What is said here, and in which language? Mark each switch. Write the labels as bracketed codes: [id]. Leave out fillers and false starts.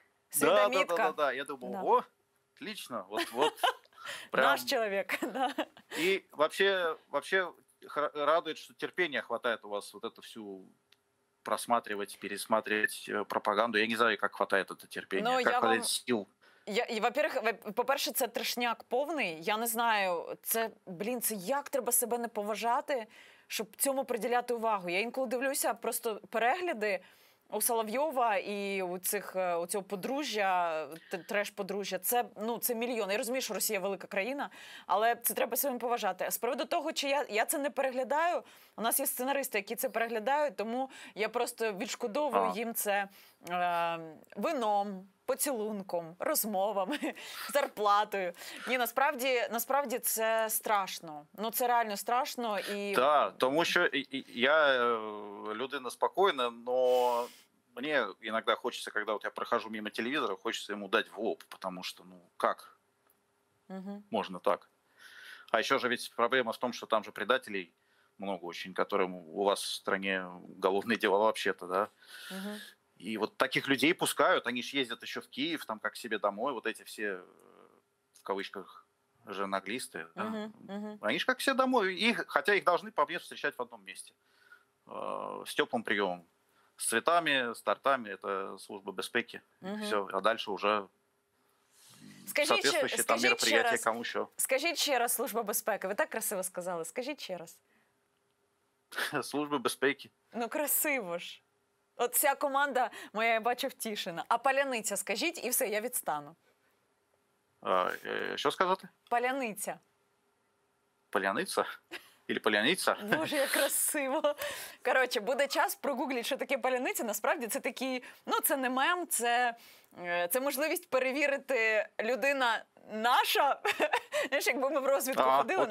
[ru] Сведомитка. Да. Я думал, да. О, отлично, вот-вот. Прям. Наш человек, да. И вообще радует, что терпения хватает у вас вот это всю просматривать, пересматривать пропаганду. Я не знаю, как хватает это терпения, но как хватает сил. Во-первых, [uk] по-перше, це трешняк повний. Я не знаю, це як треба себе не поважати, щоб цьому приділяти увагу. Я інколи дивлюся просто перегляди у Соловйова і у цього подружжя, треш-подружжя. Це, ну, це мільйон. Я розумію, що Росія велика країна, але це треба себе не поважати. А з приводу того, чи я це не переглядаю, у нас є сценаристи, які це переглядають, тому я просто відшкодовую їм це вином, поцілунком, розмовами, зарплатою. Ні, насправді це страшно. Ну, це реально страшно. І... Так, тому що я людина спокійна, но мені іноді хочеться, коли от я прохожу мимо телевізора, хочеться йому дати в лоб, тому що, ну, як? Можна так. [ru] А ще ж ведь проблема [uk] в тому, що [ru] там же предателей много очень, которым у вас в стране уголовные дела вообще-то, да? И вот таких людей пускают, они же ездят еще в Киев, там как к себе домой, вот эти все, в кавычках, журналисты, да? Они же как к себе домой, их, хотя их должны по мне встречать в одном месте, с теплым приемом, с цветами, с тортами, это [uk] служба безпеки, [ru] все, а дальше уже соответствующие там мероприятия, кому еще. Скажите еще раз, [uk] служба безпеки, [ru] вы так красиво сказали, скажите еще раз. [uk] Служба безпеки. [ru] Ну красиво ж. [uk] От вся команда моя, я бачу, втішена. А паляниця, скажіть, і все, я відстану. Що сказати? Паляниця. Паляниця? Ілі паляниця? Боже, як красиво. Коротше, буде час прогугліть, що таке паляниця. Насправді, це такий, ну, це не мем, це можливість перевірити людина наша, знаєш, якби ми в розвідку ходили,